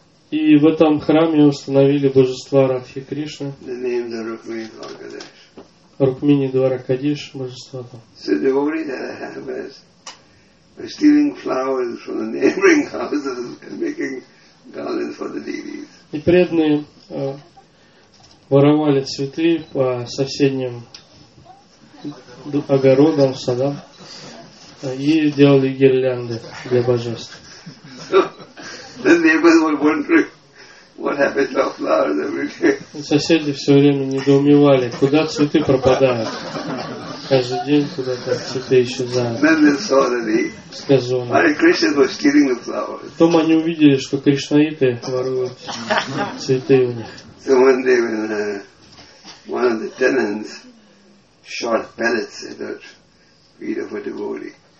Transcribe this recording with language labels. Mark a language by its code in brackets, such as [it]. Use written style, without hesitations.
[ru] И в этом храме установили божества Радхи Кришны. [en] The names are Rukmini Dwarakadish. [ru] Рукмини Дваракадиш, божества там. [en] So the worry that I have is stealing flowers from the neighboring houses and making garlands for the deities. [ru] И преданные воровали цветы по соседним огородам, садам и делали гирлянды для божеств. [en] The neighbors were wondering what happened to flowers every day. [ru] Соседи все время недоумевали, куда цветы пропадают. Каждый день куда-то цветы исчезают. [en] Then they saw that he, [ru] сказали, [en] Hare Krishna was stealing the flowers. [ru] Потом они увидели, что кришнаиты воруют цветы у них. [en] So one day when one of the tenants shot pellets at the feet of a devotee.